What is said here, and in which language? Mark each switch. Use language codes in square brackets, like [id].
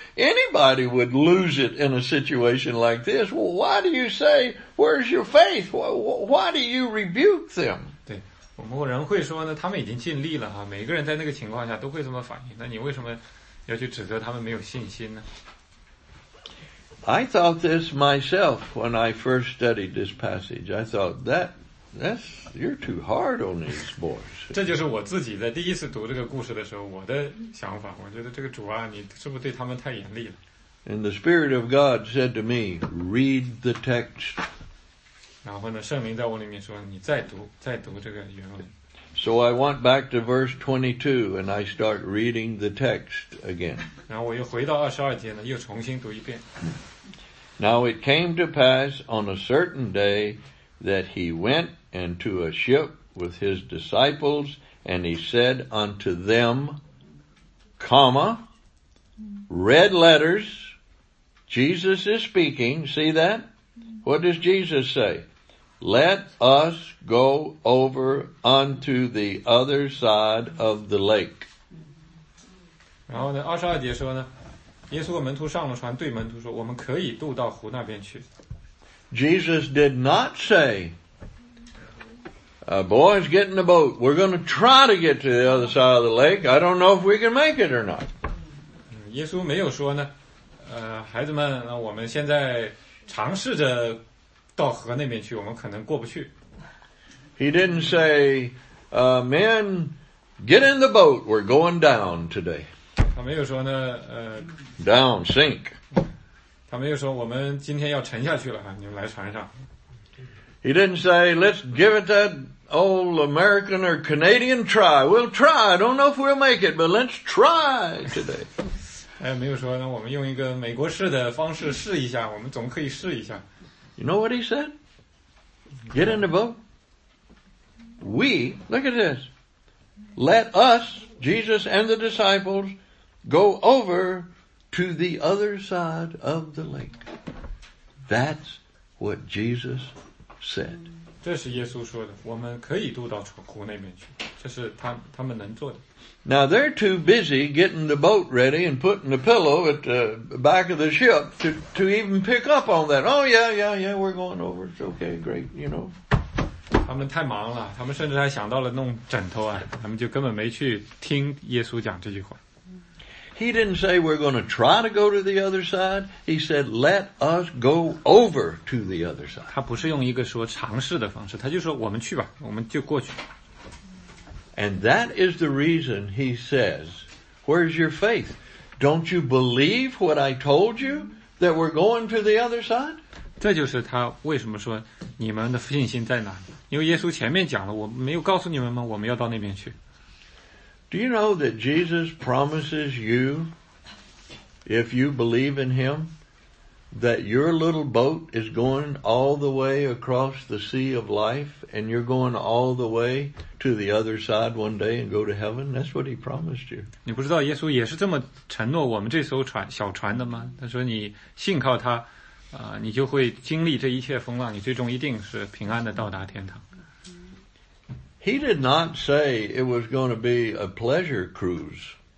[en] Anybody would lose it in a situation like this. Well, why do you say, where's your faith? Why do you rebuke them? [zh] 对，我们人会说呢，他们已经尽力了哈，每个人在那个情况下都会这么反应。那你为什么要去指责他们没有信心呢？ [en] I thought this myself when I first studied this passage. I thought that That's, you're too hard on these boys. [zh] 这就是我自己在第一次读这个故事的时候我的想法。我觉得这个主啊，你是不是对他们太严厉了？ [en] And the Spirit of God said to me, read the text. [zh] 然后呢，圣灵在我里面说，你再读，再读这个原文。 [en] So I went back to verse 22 and I start reading the text again. [zh] 然后我又回到22节呢，又重新读一遍。 [en] Now it came to pass on a certain day that he went into a ship with his disciples and he said unto them, comma, red letters, Jesus is speaking, see that? What does Jesus say? Let us go over unto the other side of the lake. [zh] 然后呢，二十二节说呢，耶稣和门徒上了船，对门徒说，我们可以渡到湖那边去。 [en] Jesus did not say, boys, get in the boat. We're going to try to get to the other side of the lake. I don't know if we can make it or not. [zh] 耶稣没有说呢，孩子们，我们现在尝试着到河那边去，我们可能过不去。 [en] He didn't say, men, get in the boat, we're going down today. [zh] 他没有说呢, [en] down, sink. [zh] 他没有说我们今天要沉下去了, 你们来船上。 [en] He didn't say, let's give it that old American or Canadian try. We'll try, I don't know if we'll make it, but let's try today. [zh] 他也没有说呢, 我们用一个美国式的方式试一下, 我们总可以试一下。 [en] You know what he said? Get in the boat. We, look at this. Let us, Jesus and the disciples, go over to the other side of the lake. That's what Jesus said. [zh] 这是耶稣说的，我们可以渡到湖那边去，这是他们能做的。 [en] Now they're too busy getting the boat ready and putting the pillow at the back of the ship to even pick up on that. Oh yeah, we're going over. It's okay, great, you know. [zh] 他们太忙了，他们甚至还想到了弄枕头啊，他们就根本没去听耶稣讲这句话。 [en] He didn't say we're going to try to go to the other side. He said, let us go over to the other side. [zh] 他不是用一个说尝试的方式，他就说我们去吧，我们就过去。 [en] And that is the reason he says, where's your faith? Don't you believe what I told you that we're going to the other side? [zh] 这就是他为什么说你们的信心在哪，因为耶稣前面讲了，我没有告诉你们吗？我们要到那边去。 [en] Do you know that Jesus promises you, if you believe in him, that your little boat is going all the way across the sea of life and you're going all the way to the other side one day and go to heaven? That's what he promised you. [zh] 你不知道耶稣也是这么承诺我们这艘船小船的吗？他说你信靠他，你就会经历这一切风浪，你最终一定是平安的到达天堂。 [en] He did not say it was going to be a pleasure cruise.